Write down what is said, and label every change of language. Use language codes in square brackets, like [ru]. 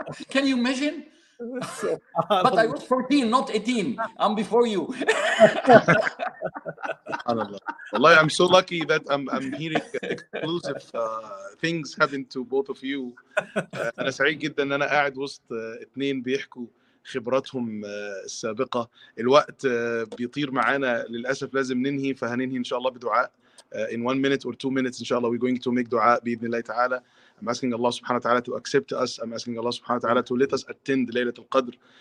[en] Can you imagine? But I was 14, not 18. I'm before you. Allah, I'm so lucky that I'm hearing exclusive things happen to both of you. [ar] أنا سعيد جدا إن أنا قاعد وسط اثنين بيحكوا خبراتهم السابقة. الوقت بيطير معانا للأسف, لازم ننهي, فهننهي إن شاء الله بدعاء. [en] In 1 minute or 2 minutes, إن شاء الله we're going to make دعاء [ar] بإذن الله تعالى. [en] I'm asking Allah subhanahu wa ta'ala to accept us. I'm asking Allah subhanahu wa ta'ala to let us attend Laylatul Qadr.